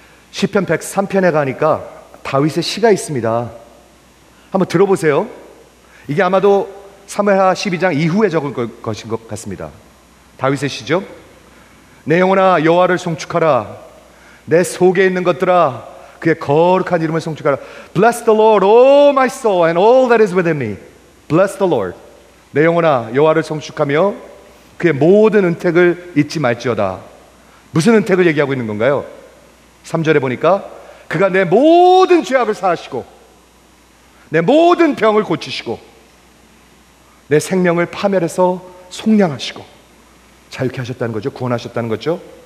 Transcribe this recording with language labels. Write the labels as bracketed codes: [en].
[ko] 시편 103편에 가니까 다윗의 시가 있습니다. 한번 들어보세요. 이게 아마도 사무엘하 12장 이후에 적은 것인 것 같습니다. 다윗의 시죠. 내 영혼아 여호와를 송축하라. 내 속에 있는 것들아 그의 거룩한 이름을 송축하라. [en] Bless the Lord, all my soul and all that is within me. Bless the Lord. [ko] 내 영혼아 여호와를 송축하며 그의 모든 은택을 잊지 말지어다. 무슨 은택을 얘기하고 있는 건가요? 3절에 보니까 그가 내 모든 죄악을 사하시고 내 모든 병을 고치시고 내 생명을 파멸해서 속량하시고 자유케 하셨다는 거죠. 구원하셨다는 거죠.